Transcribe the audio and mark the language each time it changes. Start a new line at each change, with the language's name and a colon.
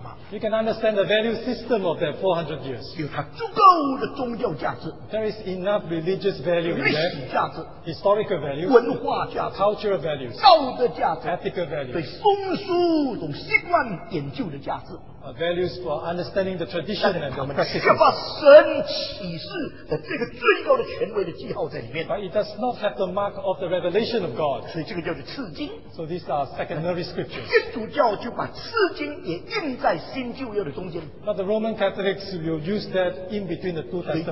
English: you can understand the value system of that 400 years.
Chinese: 有它足够的宗教价值,
English: there is enough religious value in there.
Chinese: 历史价值,
English: historical value,
Chinese: 文化价值,
English: cultural value,
Chinese: 道德价值,
English: ethical value,
Chinese: 对风俗一种习惯研究的价值,
English: values for understanding the tradition and the practices. But it does not have the mark of the revelation of God. So these are secondary scriptures. But the Roman Catholics will use that in between the two